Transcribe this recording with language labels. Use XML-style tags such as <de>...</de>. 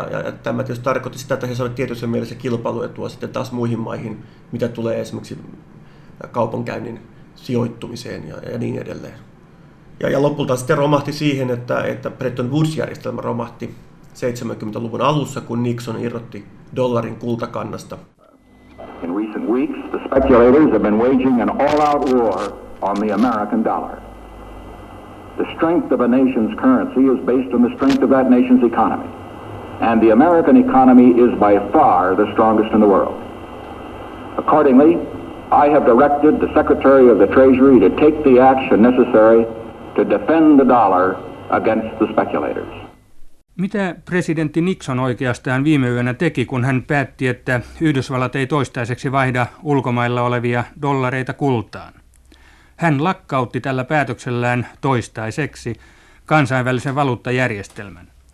<fi>Ja tämä tietysti tarkoitti sitä, että he saivat tietyissä mielessä kilpailuetua sitten taas muihin maihin, mitä tulee esimerkiksi kaupankäynnin sijoittumiseen ja niin edelleen. Ja lopulta sitten romahti siihen, että Bretton Woods-järjestelmä romahti 70-luvun alussa, kun Nixon irrotti dollarin kultakannasta.</fi> <en>In recent weeks, the speculators have been waging an all-out war on the American dollar. The strength of a nation's currency is based on the strength of that nation's economy. And the American economy is by far the strongest in the world. Accordingly, I have directed the Secretary of the Treasury to take the action necessary to defend the dollar against the speculators.</en> <fi>Mitä presidentti Nixon oikeastaan viime yönä teki, kun hän päätti, että Yhdysvallat ei toistaiseksi vaihda ulkomailla olevia dollareita kultaan? Hän lakkautti tällä päätöksellään toistaiseksi kansainvälisen valuuttajärjestelmän.</fi>